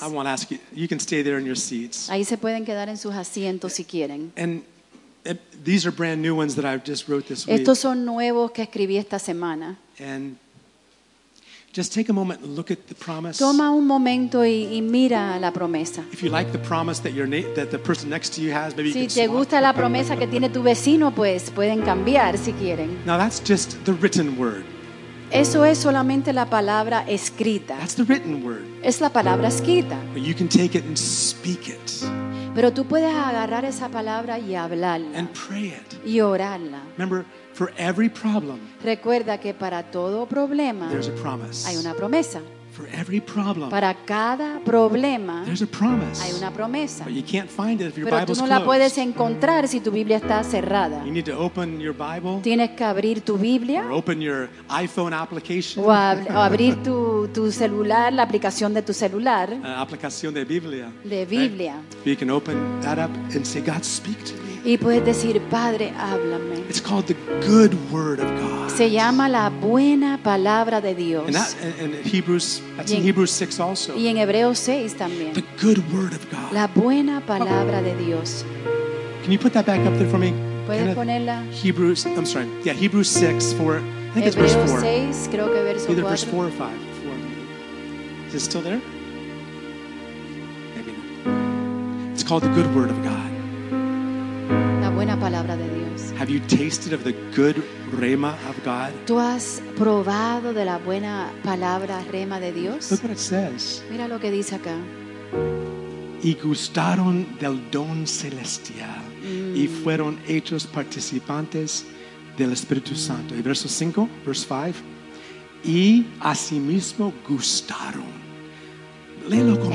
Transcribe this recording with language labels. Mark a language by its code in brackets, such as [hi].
[en] I want to ask you can stay there in your seats. [es] Ahí se pueden quedar en sus asientos si quieren. [en] These are brand new ones that I just wrote this week. [es] Estos son nuevos que escribí esta semana. [en] And just take a moment and look at the promise. [es] Toma un momento y mira la promesa. [en] If you like the promise that the person next to you has, maybe [es] si [en] you can [es] te gusta la promesa que tiene tu vecino, pues pueden cambiar si quieren. [en] Now that's just the written word. [es] Eso es solamente la palabra escrita. [en] That's the written word. [es] Es la palabra escrita. [en] But you can take it and speak it. [es] Pero tú puedes agarrar esa palabra y hablarla. [en] And pray it. [es] Y orarla. [en] Remember, for every problem, [es] recuerda que para todo problema [en] there's a promise. [es] Hay una promesa. [en] For every problem, [es] para cada problema [en] there's a promise, [es] hay una promesa. [en] But you can't find it if your [es] pero [en] Bible's [es] tú no la [en] closed. [es] Puedes encontrar si tu Biblia está cerrada. [en] You need to open your Bible, [es] tienes que abrir tu Biblia [en] or open your iPhone application, [es] o abrir tu celular, la aplicación de tu celular. Aplicación de Biblia. De Biblia. [en] Right? You can open that up and say, God, speak to me. [es] Y puedes decir, Padre, háblame. [en] It's called the good word of God. [es] Se llama la buena palabra de Dios. [en] And in Hebrews 6 also. [es] Y en Hebreos 6 también. [en] The good word of God. [es] La buena palabra de Dios. [en] Can you put that back up there for me? [es] ¿Puedes ponerla? [en] Hebrews, I'm sorry. Yeah, Hebrews 6, 4. I think it's verse 4. [es] 6, creo que verso [en] either 4. Verse 4 or 5. 4. Is it still there? Maybe not. It's called the good word of God. [es] Palabra de Dios. [en] Have you tasted of the good rema of God? [es] ¿Tú has probado de la buena palabra rema de Dios? [en] Look what it says. [es] Mira lo que dice acá. Y gustaron del don celestial y fueron hechos participantes del Espíritu Santo. Y verso 5, [en] verse 5. [es] Y asimismo gustaron. Léelo conmigo.